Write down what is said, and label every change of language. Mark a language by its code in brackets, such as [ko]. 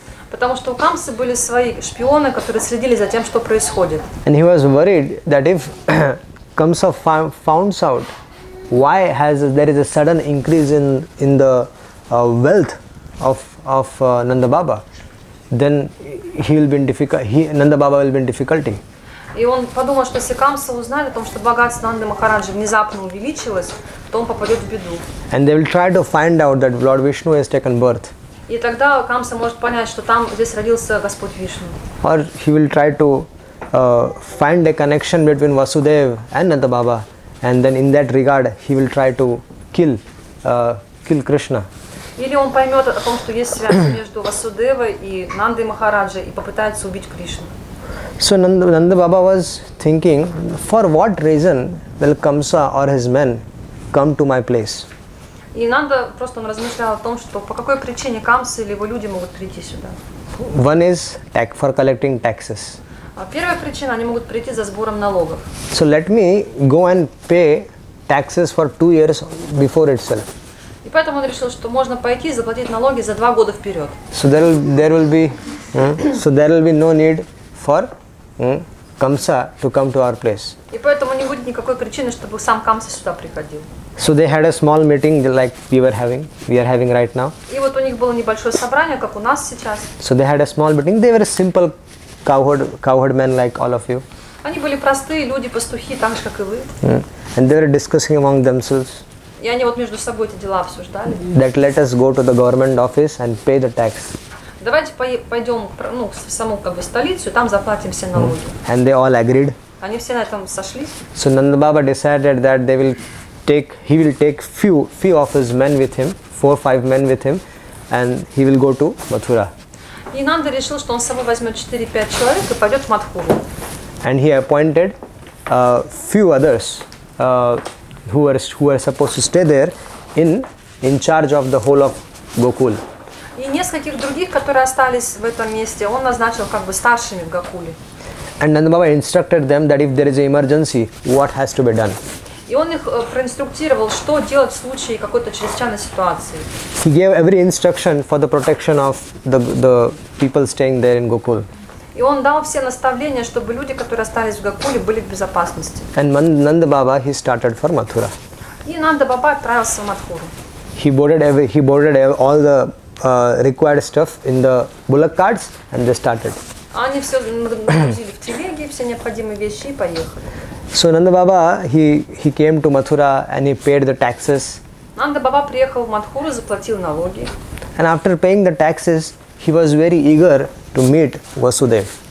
[ru] Потому что у Камсы были свои шпионы, которые следили за тем, что происходит. [en] And he was worried that if Kamsa found out why there is a sudden increase in the wealth of Nanda Baba, then Nanda Baba will be in difficulty. [ru] И он подумал, что если Камсы узнали о том, что богатство Нанды Махараджи внезапно увеличилось, то он попадет в беду. [en] And they will try to find out that Lord Vishnu has taken birth. [ru] И тогда Камса может понять, что там здесь родился Господь Вишну. [en] Or he will try to find a connection between Vasudev and Nanda Baba, and then in that regard he will try to kill Krishna. [ru] Или он поймет о том, что есть связь между Васудевой и Нандой Махараджи и попытается убить Кришну. [en] So Nanda Baba was thinking, for what reason will Kamsa or his men come to my place? [ru] И Нанда просто он размышлял о том, что по какой причине Камса или его люди могут прийти сюда. [en] One is for collecting taxes. [ru] Первая причина, они могут прийти за сбором налогов. [en] So let me go and pay taxes for 2 years before itself. [ru] И поэтому он решил, что можно пойти и заплатить налоги за 2 года вперед. [en] So there will be no need for Kamsa to come to our place. [ru] И поэтому не будет никакой причины, чтобы сам Камса сюда приходил. [en] So they had a small meeting like we are having right now. [ru] И вот у них было небольшое собрание, как у нас сейчас. [en] So they had a small meeting. They were simple cowherd men like all of you. [ru] Они были простые люди, пастухи, так же как и вы. [en] And they were discussing among themselves. [ru] И они вот между собой эти дела обсуждали. [en] That let us go to the government office and pay the tax. [ru] Давайте пойдем в саму столицу, там заплатим все налоги. [en] And they all agreed. [ru] Они все на этом сошлись. [en] So Nanda Baba decided that they will take few of his men with him, 4-5 men with him, and he will go to Mathura. [ru] И Нанда решил, что он с собой возьмет 4-5 человек и пойдет в Матхуру. [en] And he appointed few others who are supposed to stay there in charge of the whole of Gokul. [ru] И нескольких других, которые остались в этом месте, он назначил как бы старшими в Гокуле. [en] And Nanda Baba instructed them that if there is an emergency, what has to be done. [ru] И он их проинструктировал, что делать в случае какой-то чрезвычайной ситуации. [en] He gave every instruction for the protection of the people staying there in Gokul. [ru] И он дал все наставления, чтобы люди, которые остались в Гокуле, были в безопасности. [en] And Nanda Baba, he started for Mathura. [ru] И Нанда Баба отправился в Матхуру. [en] He boarded all the required stuff in the bullock carts and they started. [ru] Они все нагрузили в телеги, все необходимые вещи и поехали. [en] So Nanda Baba he came to Mathura and he paid the taxes. [ru] Nanda Baba приехал в Матхуру, заплатил налоги. [en] And after paying the taxes, he was very eager to meet Vasudev.